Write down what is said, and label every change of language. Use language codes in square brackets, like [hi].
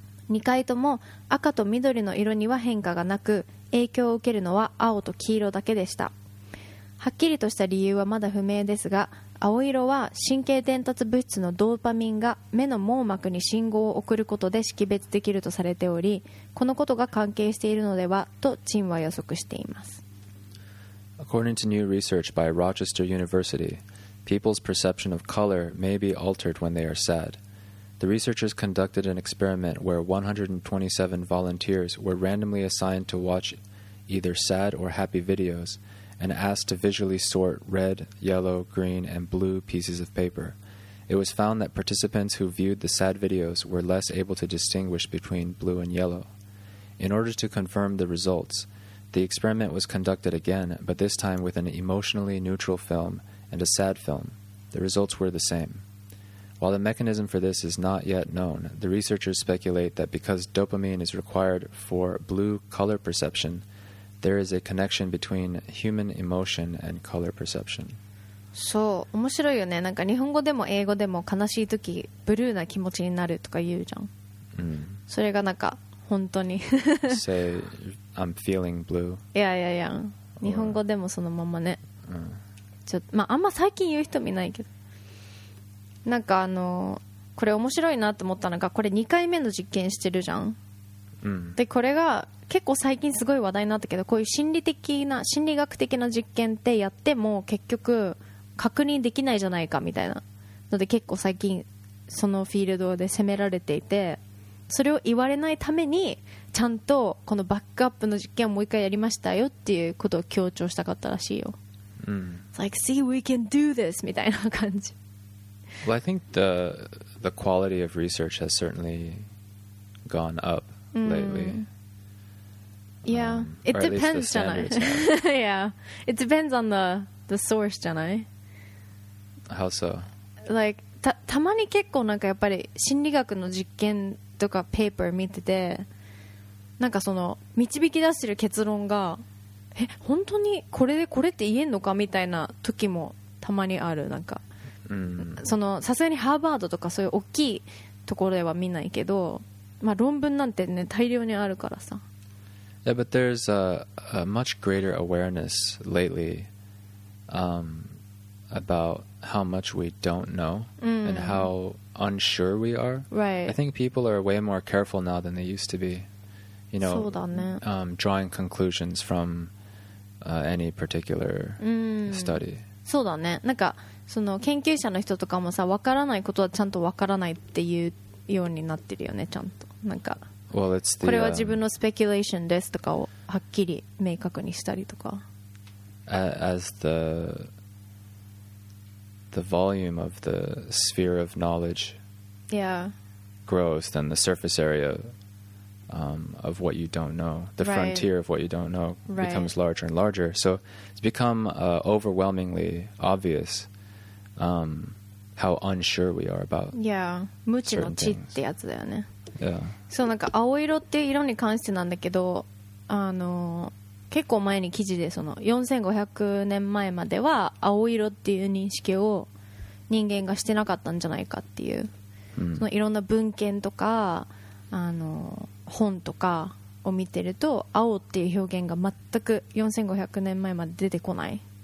[ja] 2回とも赤と緑の色には変化がなく、影響を受けるのは青と黄色だけでした。はっきりとした理由はまだ不明ですが、青色は神経伝達物質のドーパミンが目の網膜に信号を送ることで識別できるとされており、このことが関係しているのではとチンは予測しています。 [en] According to new research by Rochester University, people's perception of color may be altered when they are sad. The researchers conducted an experiment where 127 volunteers were randomly assigned to watch either sad or happy videosand asked to visually sort red, yellow, green, and blue pieces of paper. It was found that participants who viewed the sad videos were less able to distinguish between blue and yellow. In order to confirm the results, the experiment was conducted again, but this time with an emotionally neutral film and a sad film. The results were the same. While the mechanism for this is not yet known, the researchers speculate that because dopamine is required for blue color perception,There is a connection between human emotion and color perception. [ja] そう、面白いよね。なんか日本語でも英語でも悲しい時ブルーな気持ちになるとか言うじゃん。それがなんか本当に。 [en] Say I'm feeling blue. [ja] いやいやいや。日本語でもそのままね。ちょっとまああんま最近言う人見ないけど。なんかあのこれ面白いなと思ったのが、これ2回目の実験してるじゃん。でこれが結構最近すごい話題になったけど、こういう心理的な心理学的な実験ってやっても結局確認できないじゃないかみたいなので結構最近そのフィールドで責められていて、それを言われないためにちゃんとこのバックアップの実験をもう一回やりましたよっていうことを強調したかったらしいよ。 [en] Like, see, we can do this [ja] みたいな感じ。 [en] Well, I think the quality of research has certainly gone up lately. Yeah, it depends, [ja] じゃない? [en] Yeah, it depends on the source, じゃない? How so? [ja] Like, たまに結構なんかやっぱり心理学の実験とかペーパー見てて、なんかその導き出してる結論が、本当にこれでこれって言えんのかみたいな時もたまにある。なんか、そのさすがにハーバードとかそういう大きいところでは見ないけど、まあ論文なんてね大量にあるからさ。 [en] Yeah, but there's a much greater awareness lately about how much we don't know and how unsure we are. Right. I think people are way more careful now than they used to be, you know, drawing conclusions from any particular study. [ja] そうだね。なんかその研究者の人とかもさ、わからないことはちゃんとわからないっていうようになってるよね、ちゃんと。なんか。 [en] Well, it's [ja] これは自分のスペキュレーションですとかをはっきり明確にしたりとか。 [en] As the volume of the sphere of knowledge grows, then the surface area of what you don't know, the frontier of what you don't know becomes larger and larger. So it's become overwhelmingly obvious how unsure we are about certain things. [ja] 無知の知ってやつだよね。 [en] Yeah. [ja] そう、なんか青色っていう色に関してなんだけど、あの結構前に記事でその4500年前までは青色っていう認識を人間がしてなかったんじゃないかっていう、そのいろんな文献とかあの本とかを見てると青っていう表現が全く4500年前まで出てこない、